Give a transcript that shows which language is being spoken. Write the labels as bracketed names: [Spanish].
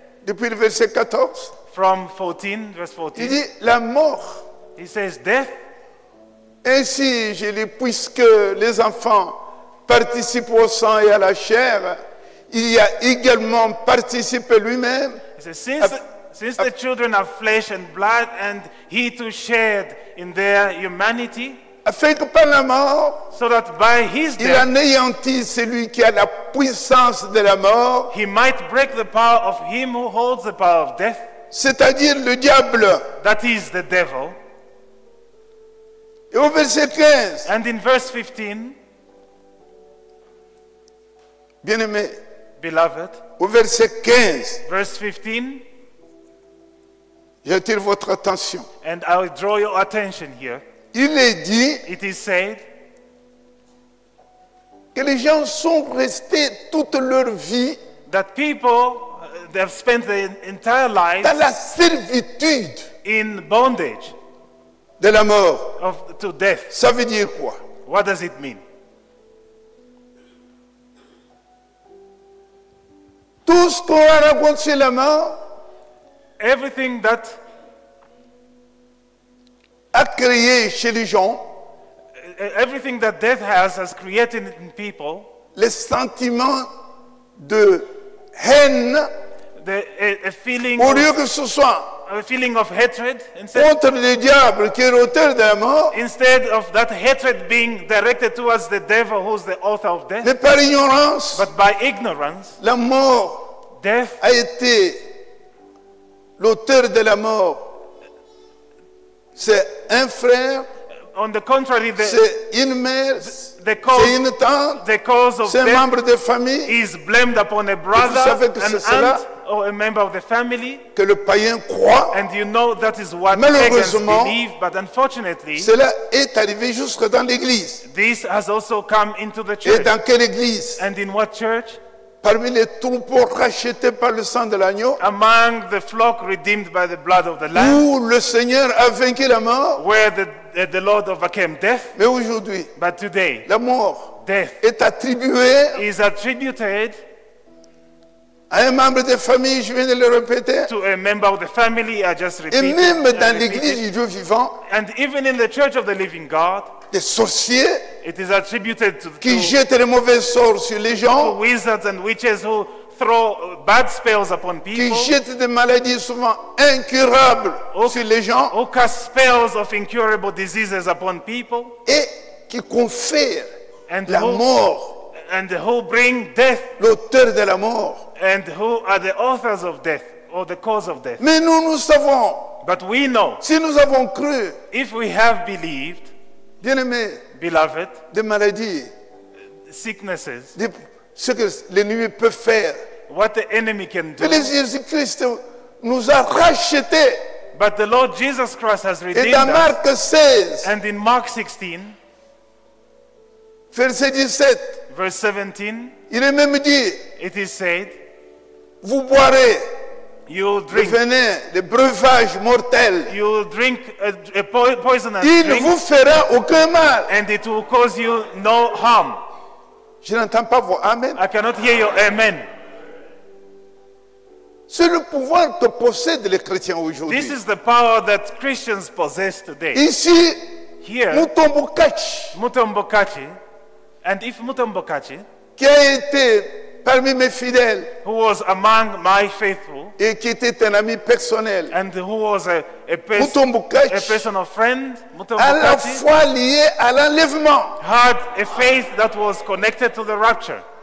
[French] Depuis le verset 14. [English] From 14, verse 14. [French] Il dit la mort. [English] He says death. [French] Ainsi, je dis, puisque les enfants participent au sang et à la chair, il y a également participé lui-même. [English] Since the children are flesh and blood, and he too shared in their humanity, [French] afin que par la mort, [English] so that by his death, [French] il anéantit celui qui a la puissance de la mort, [English] he might break the power of him who holds the power of death, [French] c'est-à-dire le diable, [English] that is the devil. [French] Et au verset 15. [English] And in verse 15. [French] Bien-aimé. [English] Beloved. [French] Au verset 15. [English] Verse 15. [French] J'attire votre attention. [English] And I will draw your attention here. [French] Il est dit. [English] It is said. [French] Que les gens sont restés toute leur vie. [English] That people, they have spent their entire lives. [French] Dans la servitude. [English] In bondage. [French] De la mort. [English] Of, to death. [French] Ça veut dire quoi? [English] What does it mean? [French] Tout ce qu'on a raconté la mort, [English] everything that [French] a créé chez les gens, [English] everything that death has created in people, [French] les sentiments de haine, [English] a feeling [French] au lieu que ce soit [English] a feeling of hatred [French] contre le diable qui est l'auteur de la mort, [English] instead of that hatred being directed towards the devil who's the author of death, [French] mais par ignorance, [English] but by ignorance, [French] la mort, [English] death, [French] a été l'auteur de la mort. C'est un frère, [English] on the contrary, [French] c'est une mère, [English] the cause, [French] c'est une tante, [English] the cause of [French] c'est un membre de famille, [English] is blamed upon a brother, [French] vous savez que [English] an [French] c'est [English] aunt, [French] cela, [English] or a member of the family, [French] que le païen croit, [English] and you know that is what pagans believe, but unfortunately, [French] cela est arrivé jusque dans l'église. [English] This has also come into the church. [French] Et dans quelle église? [English] And in what church? [French] Parmi les troupeaux rachetés par le sang de l'agneau, [English] among the flock redeemed by the blood of the lamb, [French] où le Seigneur a vaincu la mort, [English] where the Lord overcame death, [French] mais aujourd'hui, [English] but today, [French] la mort, [English] death, [French] est attribué, [English] is attributed, [French] à un membre de famille, je viens de le répéter, [English] to a member of the family, I just repeat, [French] et même dans l'église du Dieu vivant, [English] and even in the church of the living God, [French] des sorciers, [English] it is attributed to, [French] qui jettent les mauvais sorts sur les gens, [English] to wizards and witches who throw bad spells upon people, [French] qui jettent des maladies souvent incurables sur les gens, [English] who cast spells of incurable diseases upon people, [French] et qui confèrent [English] and [French] la mort, [English] and who bring death, [French] l'auteur de la mort, [English] and who are the authors of death or the cause of death. [French] Mais nous, nous savons, [English] but we know, [French] si nous avons cru, [English] if we have believed, [French] bien-aimés, [English] beloved, [French] des maladies, [English] sicknesses, [French] ce que l'ennemi peut faire, [English] what the enemy can do, [French] mais Jésus-Christ nous a rachetés, [English] but the Lord Jesus Christ has redeemed [French] us. Et dans Marc 16, [English] and in Mark 16, [French] verset 17, [English] verse 17, [French] il est même dit, [English] it is said, [French] vous boirez, [English] you will drink, [French] le venin, le breuvage mortel, [English] you will drink a poisonous [French] il ne vous fera aucun mal, [English] and it will cause you no harm. [French] Je n'entends pas vos amen. [English] I cannot hear your amen. [French] C'est le pouvoir que possèdent les chrétiens aujourd'hui. [English] This is the power that Christians possess today. [French] Ici, [English] here, [French] Mutombo Katshi, [English] Mutombo Katshi, and if Mutombo Katshi, [French] qui a été parmi mes fidèles, [English] who was among my faithful, [French] et qui était un ami personnel, [English] and who was a personal friend, [French] Mutombo Katshi, à la foi liée à l'enlèvement, [English] had a faith that was connected to the rapture.